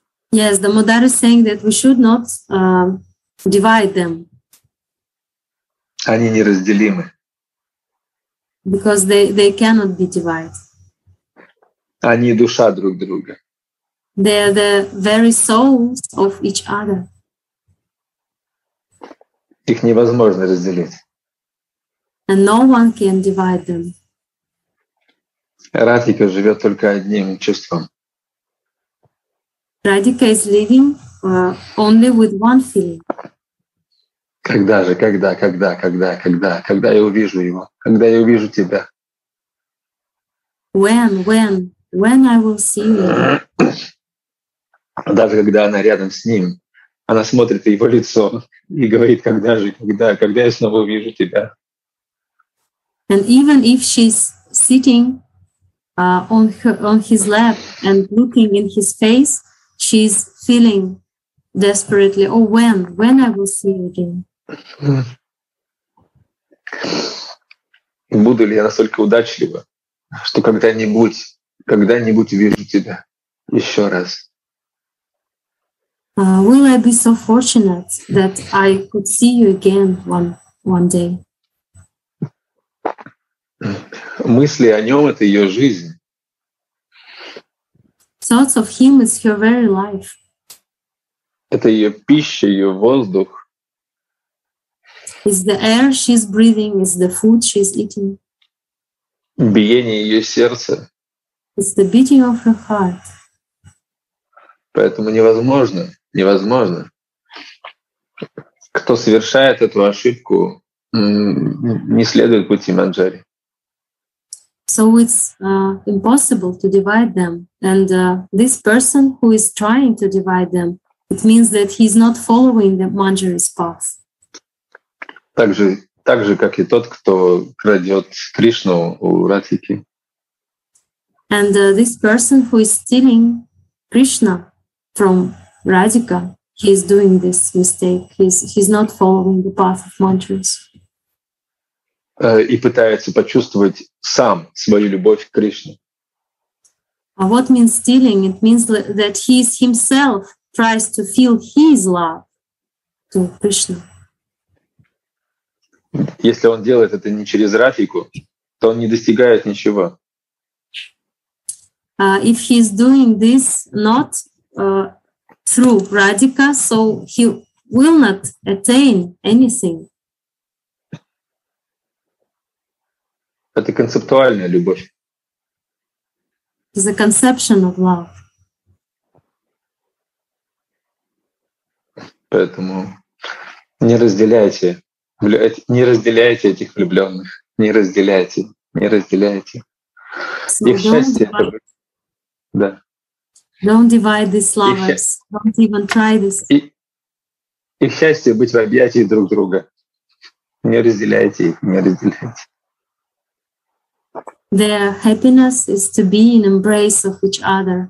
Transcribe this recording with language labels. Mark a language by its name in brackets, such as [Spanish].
[English] Yes, the Mudra is saying that we should not divide them. [Russian] они неразделимы. [English] Because they cannot be divided. [Russian] Они душа друг друга. [English] They are the very souls of each other. [Russian] Их невозможно разделить. [English] And no one can divide them. [Russian] Радика живет только одним чувством. [English] Радика is living only with one feeling. [Russian] Когда же, когда я увижу его, когда я увижу тебя? [English] When I will see you? [Russian] Даже когда она рядом с ним, она смотрит его лицо и говорит, когда я снова увижу тебя? [English] And even if she's sitting on his lap and looking in his face, she's feeling desperately, oh, when I will see you again? [Russian] Буду ли я настолько удачлива, что когда-нибудь увижу тебя еще раз? [English] Will I be so fortunate that I could see you again one day? [Russian] Мысли о нем — это ее жизнь. [English] Thoughts of him is her very life. [Russian] Это ее пища, ее воздух. [English] Is the air she's breathing, is the food she's eating. [Russian] Биение ее сердца. [English] It's the beating of her heart. [Russian] Поэтому невозможно. Кто совершает эту ошибку, не следует пути Манджари. [English] So it's impossible to divide them. And this person who is trying to divide them, it means that he's not following the Manjari's path. [Russian] Так же, как и тот, кто крадет Кришну у Радхики. [English] And this person who is stealing Krishna from Radhika, he is doing this mistake. He's not following the path of mantras. [Russian] И пытается почувствовать сам свою любовь к Кришне. [English] What means stealing? It means that he is himself tries to feel his love to Krishna. [Russian] Если он делает это не через Радхику, то он не достигает ничего. [English] If he is doing this not through Radhika, so he will not attain anything. [Russian] Это концептуальная любовь. [English] It's a conception of love. [Russian] Поэтому не разделяйте этих влюблённых. Не разделяйте. So их счастье — это... Да. [English] Don't divide these lovers. Don't even try this. [Russian] Их счастье — быть в объятии друг друга. Не разделяйте их. [English] Their happiness is to be in embrace of each other.